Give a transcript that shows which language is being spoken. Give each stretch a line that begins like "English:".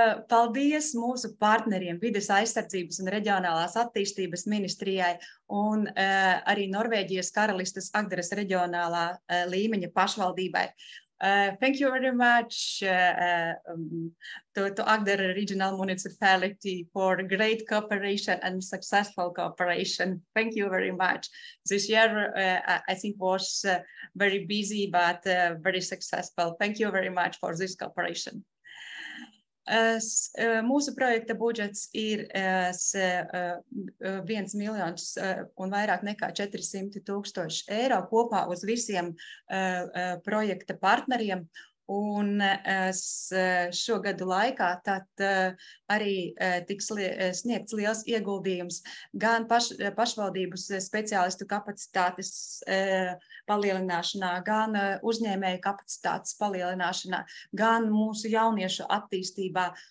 Latvian: Paldies mūsu partneriem Vides aizsardzības un reģionālās attīstības ministrijai un arī Norvēģijas Karalistes Agderes reģionālā līmeņa pašvaldībai.
English: Thank you very much to Agdera Regional Municipality for great cooperation and successful cooperation. Thank you very much. This year, I think, was very busy, but very successful. Thank you very much for this cooperation.
Latvian: Mūsu projekta budžets ir 1 miljons un vairāk nekā 400 tūkstoši eiro kopā uz visiem projekta partneriem. Un šo gadu laikā tad arī tiks sniegts liels ieguldījums gan pašvaldības speciālistu kapacitātes palielināšanā, gan uzņēmēju kapacitātes palielināšanā, gan mūsu jauniešu attīstībā.